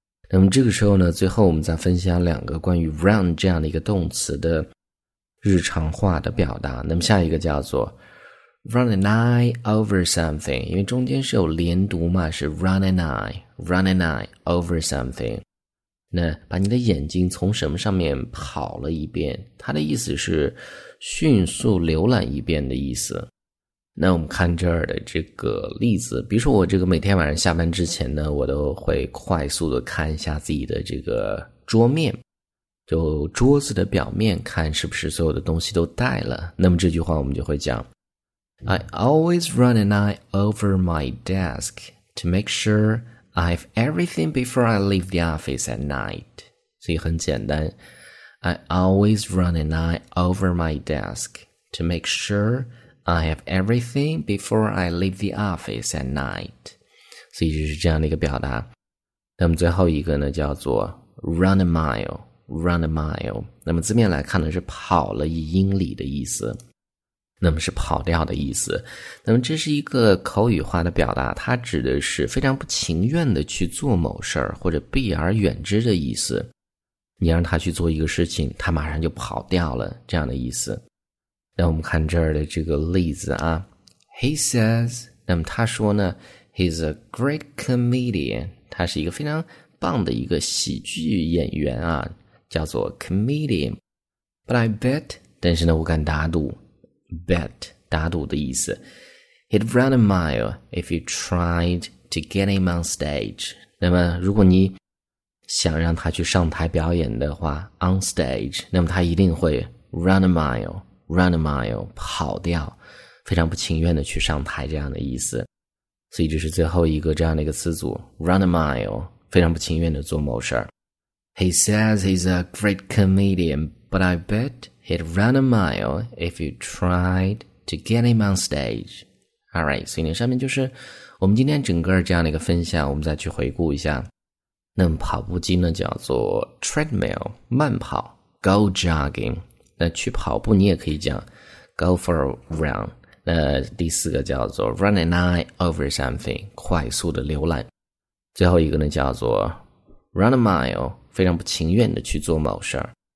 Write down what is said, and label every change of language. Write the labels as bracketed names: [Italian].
[Chinese] 那么这个时候呢，最后我们再分享两个关于 run 这样的一个动词的日常化的表达。那么下一个叫做Run an eye over something， 因为中间是有连读嘛，是 run an eye over something。那把你的眼睛从什么上面跑了一遍，它的意思是迅速浏览一遍的意思。那我们看这儿的这个例子，比如说我这个每天晚上下班之前呢，我都会快速的看一下自己的这个桌面，就桌子的表面，看是不是所有的东西都带了。那么这句话我们就会讲 [English] I always run an eye over my desk to make sure I have everything before I leave the office at night. [Chinese] 所以很简单。 [English] I always run an eye over my desk to make sure I have everything before I leave the office at night. [Chinese] 所以就是这样的一个表达。那么最后一个呢叫做 run a mile。那么字面来看呢是跑了一英里的意思。那么是跑掉的意思。那么这是一个口语化的表达，它指的是非常不情愿的去做某事儿，或者避而远之的意思。你让他去做一个事情，他马上就跑掉了，这样的意思。那我们看这儿的这个例子啊。 [English] He says, [Chinese] 那么他说呢 , [English] He's a great comedian, [Chinese] 他是一个非常棒的一个喜剧演员啊，叫做 comedian。 [English] But I bet, [Chinese] 但是呢我敢打赌。 Bet， 打赌的意思。 [English] He'd run a mile if you tried to get him on stage。 [Chinese] 那么，如果你想让他去上台表演的话 ，on stage， 那么他一定会 run a mile， 跑掉，非常不情愿的去上台这样的意思。所以这是最后一个这样的一个词组 run a mile， 非常不情愿的做某事儿。 [English] He says he's a great comedian, but I bet he'd run a mile if you tried to get him on stage. [Chinese] All right, 所以上面就是我们今天整个这样的一个分享，我们再去回顾一下。那么跑步机呢叫做 treadmill， 慢跑 go jogging， 那去跑步你也可以讲 go for a run， 那第四个叫做 run an eye over something， 快速的浏览，最后一个呢叫做 run a mile， 非常不情愿的去做某事儿。